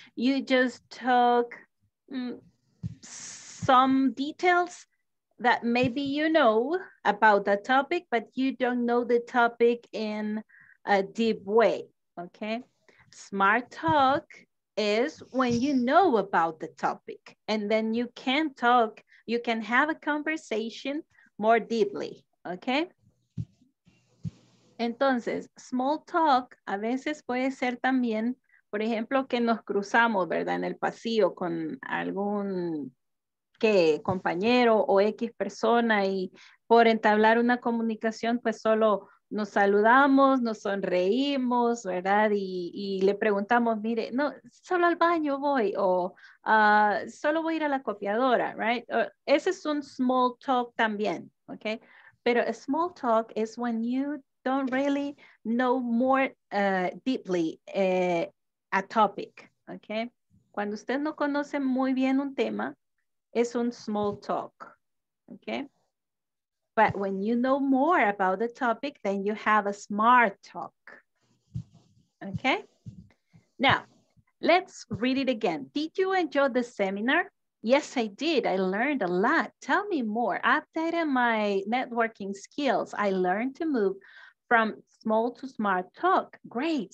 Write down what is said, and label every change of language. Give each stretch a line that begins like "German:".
English: You just talk some details that maybe you know about the topic, but you don't know the topic in a deep way, okay? Smart talk is when you know about the topic and then you can talk, you can have a conversation more deeply, okay?
Spanish: Entonces, small talk a veces puede ser también, por ejemplo, que nos cruzamos, ¿verdad? En el pasillo con algún ¿qué? Compañero o X persona y por entablar una comunicación, pues solo nos saludamos, nos sonreímos, ¿verdad? Y le preguntamos, mire, no, solo al baño voy o solo voy a ir a la copiadora, right? Ese es un small talk también, ¿ok? Pero
English: a small talk is when you don't really know more deeply a topic, ¿ok?
Spanish: Cuando usted no conoce muy bien un tema, es un small talk, ¿ok?
English: But when you know more about the topic, then you have a smart talk. Okay? Now, let's read it again. Did you enjoy the seminar? Yes, I did. I learned a lot. Tell me more. Updated my networking skills. I learned to move from small to smart talk. Great.